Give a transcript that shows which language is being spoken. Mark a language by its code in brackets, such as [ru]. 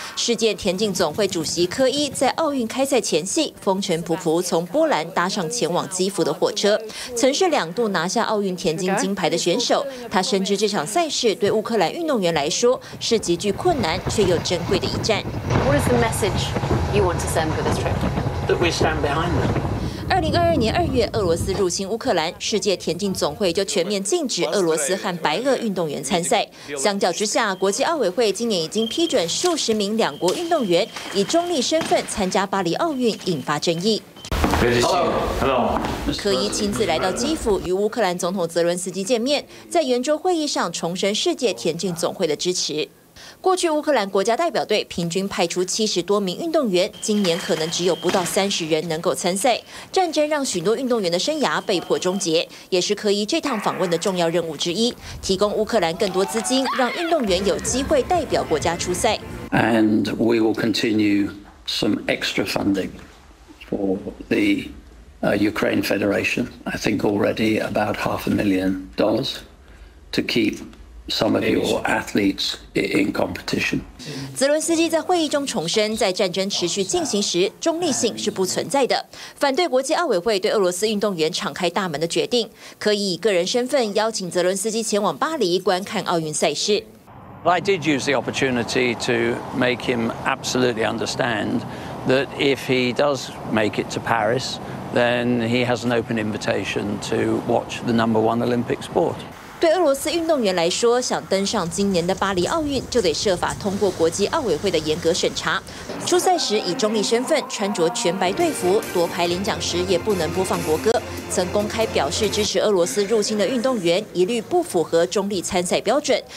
[zh] 世界田径总会主席科伊在奥运开赛前夕风尘仆仆从波兰搭上前往基辅的火车，曾是两度拿下奥运田径金牌的选手，他深知这场赛事对乌克兰运动员来说是极具困难却又珍贵的一战。 [en] What is the message you want to send for this trip? That we stand behind them. [zh] 2022年2月，俄罗斯入侵乌克兰，世界田径总会就全面禁止俄罗斯和白俄运动员参赛。相较之下，国际奥委会今年已经批准数十名两国运动员以中立身份参加巴黎奥运，引发争议。 [en] Hello. [zh] 科伊亲自来到基辅与乌克兰总统泽伦斯基见面，在圆桌会议上重申世界田径总会的支持。过去乌克兰国家代表队平均派出70多名运动员，今年可能只有不到30人能够参赛。战争让许多运动员的生涯被迫终结，也是科伊这趟访问的重要任务之一，提供乌克兰更多资金，让运动员有机会代表国家出赛。 [en] And we will continue some extra funding for the Ukraine Federation. I think already about $500,000 to keep. Some of your athletes in competition. [zh] 泽伦斯基在会议中重申，在战争持续进行时，中立性是不存在的。反对国际奥委会对俄罗斯运动员敞开大门的决定，可以以个人身份邀请泽伦斯基前往巴黎观看奥运赛事。 [en] I did use the opportunity to make him absolutely understand that if he does make it to Paris, then he has an open invitation to watch the number one Olympic sport. [zh] 对俄罗斯运动员来说，想登上今年的巴黎奥运，就得设法通过国际奥委会的严格审查。出赛时以中立身份穿着全白队服，夺牌领奖时也不能播放国歌。曾公开表示支持俄罗斯入侵的运动员，一律不符合中立参赛标准。